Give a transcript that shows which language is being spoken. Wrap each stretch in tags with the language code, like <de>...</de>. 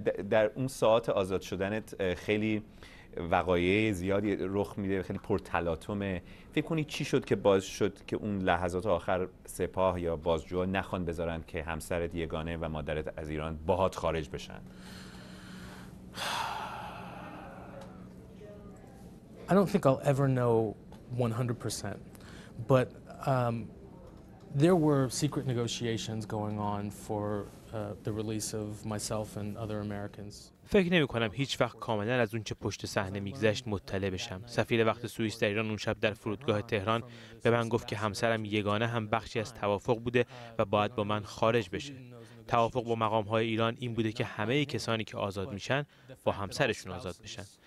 <fa>در اون ساعت آزاد شدنت خیلی وقایع زیادی رخ میده، خیلی پرتلاطمه. فکر کنی چی شد که باز شد که اون لحظات آخر سپاه یا بازجوها نخوان بذارن که همسرت یگانه و مادرت از ایران باهات خارج بشن؟</fa> <en>I don't think I'll ever know 100%, but there were secret negotiations going on for the release of myself and other Americans.</en> <fa>فکر نمی کنم هیچ وقت کاملا از اون چه پشت صحنه میگذشت مطلع بشم. سفیر وقت سوئیس در ایران اون شب در فرودگاه تهران به من گفت که همسرم یگانه هم بخشی از توافق بوده و باید با من خارج بشه. توافق با مقام های ایران این بوده که همه کسانی که آزاد میشن با همسرشون آزاد بشن.</fa>